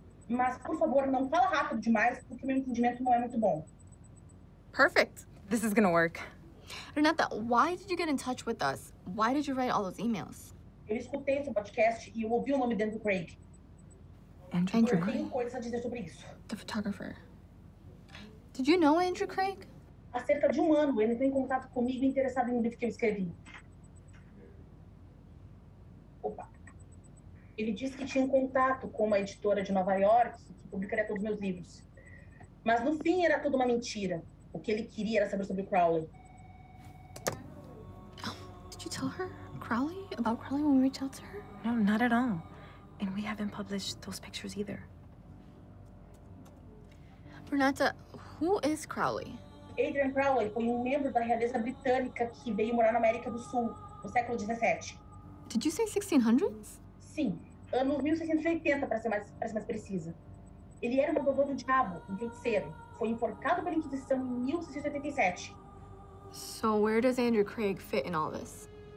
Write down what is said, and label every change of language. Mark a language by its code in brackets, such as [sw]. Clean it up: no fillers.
[pt] Mas, por favor, não fala rápido demais, porque meu entendimento não é muito bom. [en] Perfect. This is gonna work. Renata, why did you get in touch with us? Why did you write all those emails? [pt] Eu escutei seu podcast e eu ouvi o nome de Andrew Craig. Andrew Craig? Eu tenho coisas a dizer sobre isso. [en] The photographer. Did you know Andrew Craig? [pt] Há cerca de ano, ele tem contato comigo interessado em um livro que eu escrevi. Opa. Ele disse que tinha contato com uma editora de Nova York que publicaria todos os meus livros. Mas no fim era tudo uma mentira. O que ele queria era saber sobre Crowley. [en] Tell her Crowley about Crowley when we reach out to her? No, not at all. And we haven't published those pictures either. Renata, who is Crowley? [pt] Adrian Crowley foi membro da realeza britânica que veio morar na América do Sul no século 17. [en] Did you say 1600s? [pt] Sim, anos 1680 para ser mais precisa. Ele era um provador do diabo, um feiticeiro. Foi enforcado pela Inquisição em 1687. [en] So where does Andrew Craig fit in all this?